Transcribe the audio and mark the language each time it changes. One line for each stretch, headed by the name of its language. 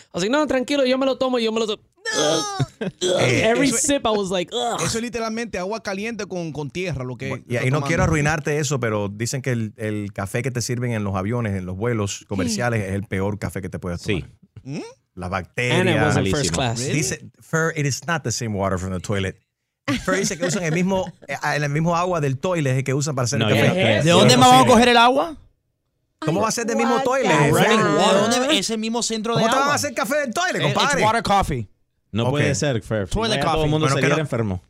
Spanish: Así, no, tranquilo, yo me lo tomo.
English: Every sip I was like, ugh.
Spanish: Eso es literalmente agua caliente con tierra lo que y no quiero arruinarte eso, pero dicen que el café que te sirven en los aviones, en los vuelos comerciales, es el peor café que te puedes tomar. La bacteria.
English: And it was in first class. Really?
Spanish: Dice,
English: Fer, it is not the same water from the toilet.
Spanish: Pero dice que usan el mismo agua del toilet que usan para hacer el café. ¿De dónde más vamos a coger el agua? ¿Cómo va a ser del mismo toilet? Ese mismo centro de ¿cómo agua? ¿Cómo te van a hacer café del toilet, compadre?
English: It's water coffee.
Spanish: No puede ser, Fer.
English: Toilet coffee.
Spanish: Todo el mundo se enfermo.